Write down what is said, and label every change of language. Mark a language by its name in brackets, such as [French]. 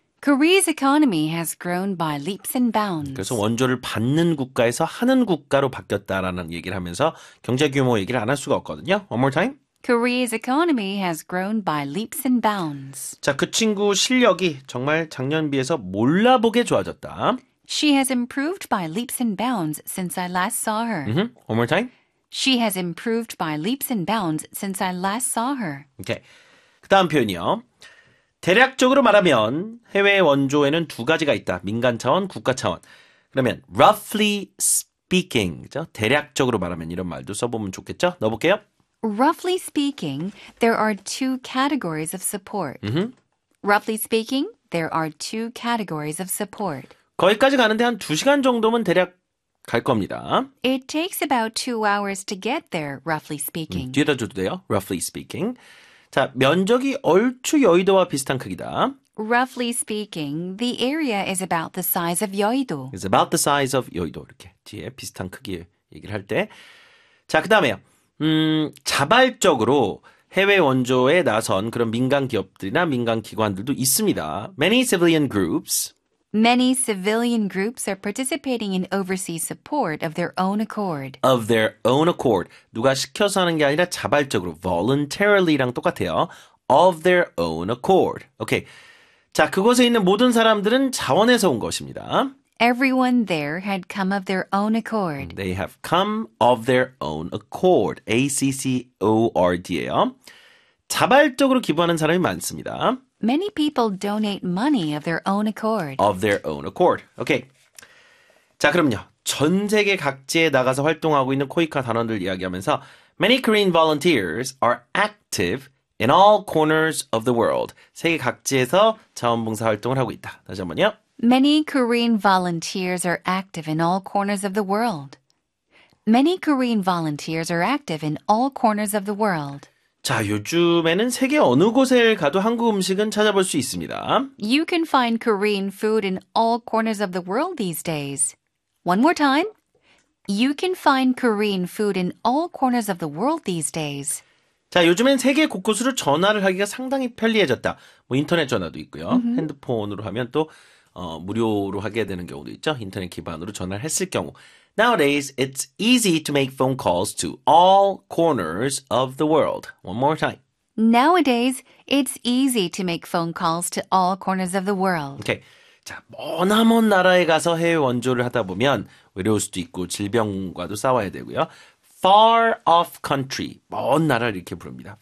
[English] Korea's economy has grown by leaps and bounds. [Korean] 그래서 원조를 받는 국가에서 하는 국가로 바뀌었다라는 얘기를 하면서 경제 규모 얘기를 안 할 수가 없거든요. [English] One more time. Korea's economy has grown by leaps and bounds. [Korean] 자, 그 친구 실력이 정말 작년 비해서 몰라보게 좋아졌다. [English] She has improved by leaps and bounds since I last saw her. Mm-hmm. One more time. She has improved by leaps and bounds since I last saw her. [Korean] Okay. 그 다음 표현이요. 대략적으로 말하면 해외 원조에는 두 가지가 있다. 민간 차원, 국가 차원. 그러면 [English] roughly speaking, [Korean] 그죠? 대략적으로 말하면 이런 말도 써보면 좋겠죠? 넣어볼게요. [English] Roughly speaking, there are two categories of support. Mm-hmm. Roughly speaking, there are two categories of support. [Korean] 거기까지 가는데 한 2시간 정도면 대략 갈 겁니다. [English] It takes about 2 hours to get there, roughly speaking. [Korean] 뒤에다 줘도 돼요, [English] roughly speaking. [Korean] 자, 면적이 얼추 여의도와 비슷한 크기다. [English] Roughly speaking, the area is about the size of 여의도. It's about the size of 여의도. [Korean] 이렇게 뒤에 비슷한 크기 얘기를 할 때. 자, 그 다음에요. 자발적으로 해외 원조에 나선 그런 민간 기업들이나 민간 기관들도 있습니다. [English] Many civilian groups. Many civilian groups are participating in overseas support of their own accord. Of their own accord. [Korean] 누가 시켜서 하는 게 아니라 자발적으로 voluntarily랑 똑같아요. [English] Of their own accord. Okay. [Korean] 자, 그곳에 있는 모든 사람들은 자원해서 온 것입니다. [English] Everyone there had come of their own accord. They have come of their own accord. A-C-C-O-R-D예요. [Korean] 자발적으로 기부하는 사람이 많습니다. [English] Many people donate money of their own accord. Of their own accord. Okay. [Korean] 자, 그럼요. 전 세계 각지에 나가서 활동하고 있는 코이카 단원들 이야기하면서 [English] Many Korean volunteers are active in all corners of the world. [Korean] 세계 각지에서 자원봉사 활동을 하고 있다. 다시 한번요. [English] Many Korean volunteers are active in all corners of the world. Many Korean volunteers are active in all corners of the world. [Korean] 자, 요즘에는 세계 어느 곳에 가도 한국 음식은 찾아볼 수 있습니다. [English] You can find Korean food in all corners of the world these days. One more time. You can find Korean food in all corners of the world these days. [Korean] 자, 요즘엔 세계 곳곳으로 전화를 하기가 상당히 편리해졌다. 뭐 인터넷 전화도 있고요. Mm-hmm. 핸드폰으로 하면 또 무료로 하게 되는 경우도 있죠. 인터넷 기반으로 전화를 했을 경우. [English] Nowadays, it's easy to make phone calls to all corners of the world. One more time. Nowadays, it's easy to make phone calls to all corners of the world. Okay. [Korean] 자, 머나먼 나라에 가서 해외 원조를 하다 보면 외로울 수도 있고 질병과도 싸워야 되고요. [English] Far off country. [Korean] 먼 나라를 이렇게 부릅니다.